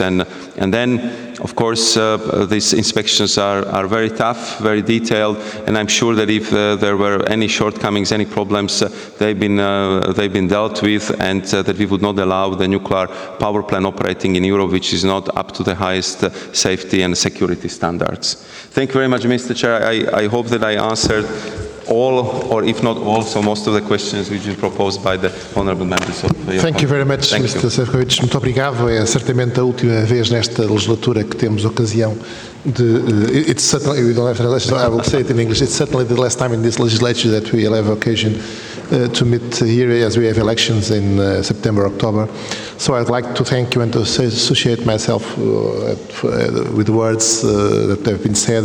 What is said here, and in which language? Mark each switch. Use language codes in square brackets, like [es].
[en] And then, of course, these inspections are very tough, very detailed, and I'm sure that if there were any shortcomings, any problems, they've been dealt with, and that we would not allow the nuclear power plant operating in Europe, which is not up to the highest safety and security standards. Thank you very much, Mr. Chair. I hope that I answered all, or if not all, so most of the questions which are proposed by the honourable members of your Thank you very much, Thank Mr. [pt] Sefcovic. Muito obrigado. É certamente a última vez nesta legislatura que temos ocasião de. [en] It's certainly, we don't have to, I will say it in English. It's certainly the last time in this legislature that we will have occasion to meet here, as we have elections in September, October. So I'd like to thank you and to associate myself with the words that have been said.